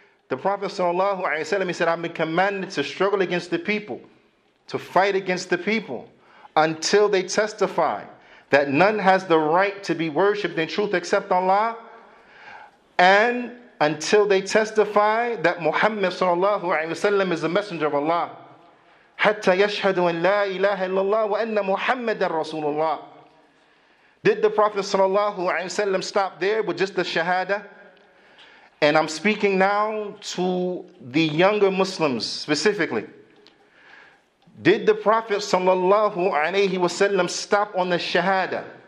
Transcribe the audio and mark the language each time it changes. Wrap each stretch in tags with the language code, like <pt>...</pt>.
<en>The Prophet sallallahu alaihi wasallam, he said, I've been commanded to struggle against the people, to fight against the people, until they testify that none has the right to be worshipped in truth except Allah, and until they testify that Muhammad sallallahu alaihi wasallam is the messenger of Allah.</en> <ar>حتى يشهدوا أن لا إله إلا الله وأن محمد رسول الله.</ar> <en>Did the Prophet sallallahu alaihi wasallam stop there with just the shahada? And I'm speaking now to the younger Muslims specifically. Did the Prophet sallallahu alaihi wasallam stop on the shahada?</en>